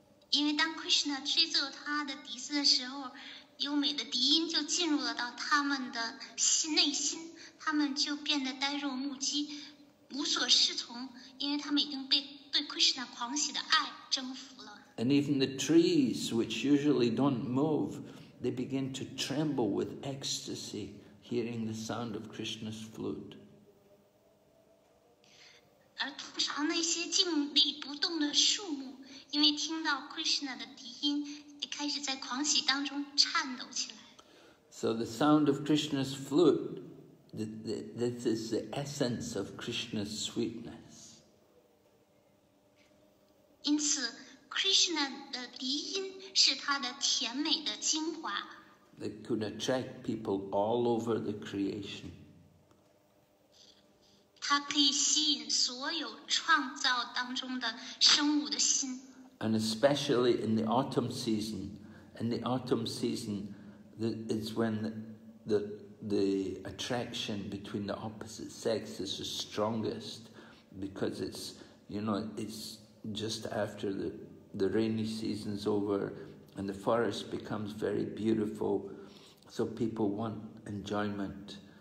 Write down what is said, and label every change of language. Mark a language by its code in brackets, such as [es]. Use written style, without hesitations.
[zh] 因为当 Krishna 吹奏他的笛子的时候，优美的笛音就进入了到他们的心内心，他们就变得呆若木鸡，无所适从，因为他们已经被对 Krishna 狂喜的爱征服了。 [en] And even the trees, which usually don't move, they begin to tremble with ecstasy, hearing the sound of Krishna's flute. [zh] 而通常那些静立不动的树木，因为听到 Krishna 的笛音，也开始在狂喜当中颤抖起来。 [en] So the sound of Krishna's flute, this is the essence of Krishna's sweetness. [zh] 因此 ，Krishna 的笛音是他的甜美的精华。 [en] That could attract people all over the creation. [zh] 它可以吸引所有创造当中的生物的心。 [en] And especially in the autumn season, in the autumn season, it's when the attraction between the opposite sex is the strongest, because it's, you know, it's just after the rainy season's over, and the forest becomes very beautiful, so people want enjoyment.